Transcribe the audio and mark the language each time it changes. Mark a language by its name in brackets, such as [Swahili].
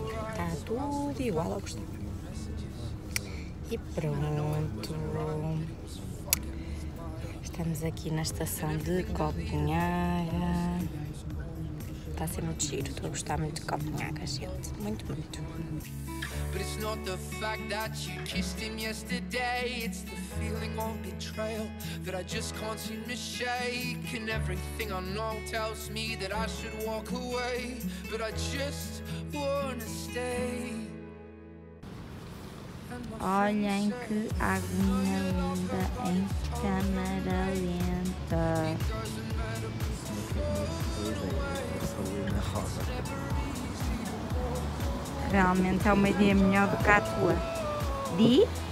[Portuguese] Está tudo igual ao costume. E pronto, estamos aqui na estação de Copenhaga, está a ser muito giro, estou a gostar muito de Copenhaga, gente, muito, muito. [English] But it's not the fact that you kissed him yesterday, it's the feeling of betrayal that I just can't seem to shake, and everything I know tells me that I should walk away, but I just wanna stay. [Portuguese] Olhem que água linda em câmera lenta. Realmente é uma ideia melhor do que a tua. Di?